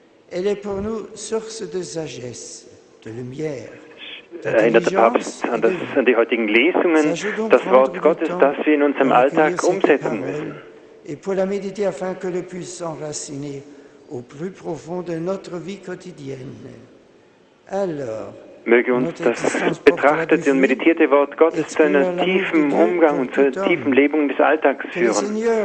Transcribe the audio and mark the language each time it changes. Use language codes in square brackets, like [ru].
[fr] Elle est pour nous source de sagesse, de lumière. [de] erinnert der Papst an die heutigen Lesungen, das Wort Gottes, das wir in unserem Alltag umsetzen müssen. [fr] Et pour la méditer afin que le puisse s'enraciner au plus profond de notre vie quotidienne. Alors, [de] möge uns das betrachtete und meditierte Wort Gottes zu einem tiefen Umgang und zu einer tiefen Lebung des Alltags führen.